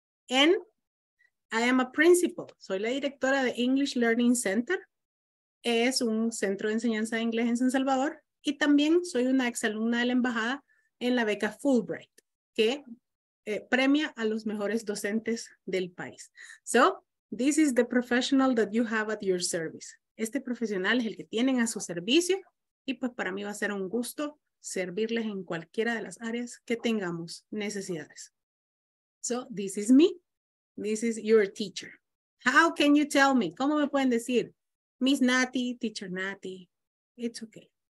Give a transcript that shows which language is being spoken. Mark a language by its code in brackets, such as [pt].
[en] And I am a principal. [es] Soy la directora de [en] English Learning Center. [es] Es un centro de enseñanza de inglés en San Salvador. Y también soy una exalumna de la embajada en la beca Fulbright, que premia a los mejores docentes del país. [en] So, this is the professional that you have at your service. [es] Este profesional es el que tienen a su servicio. Y pues para mí va a ser un gusto servirles en cualquiera de las áreas que tengamos necesidades. [en] So, this is me. This is your teacher. How can you tell me? [es] ¿Cómo me pueden decir? Miss Nati, Teacher Nati. [en] It's okay.